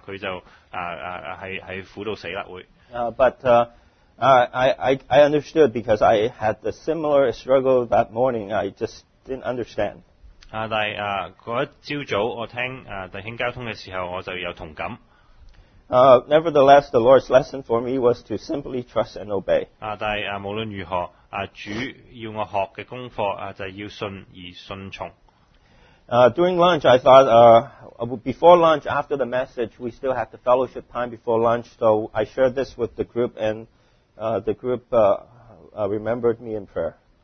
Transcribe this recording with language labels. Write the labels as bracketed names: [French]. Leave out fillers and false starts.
[Cantonese] 弟兄亦都交通到，主係唔係要佢時常嘅去經歷，因為如果咁樣嘅話，佢就係苦到死啦會。 [English] But I understood because I had a similar struggle that morning. I just didn't understand. [Cantonese] 但係嗰一朝早我聽弟兄交通嘅時候，我就有同感。 [English] Nevertheless, the Lord's lesson for me was to simply trust and obey. [Cantonese] 但係無論如何，主要我學嘅功課就係要信而順從。 [English] During lunch, I thought, before lunch, after the message, we still had the fellowship time before lunch, so I shared this with the group, and the group remembered me in prayer.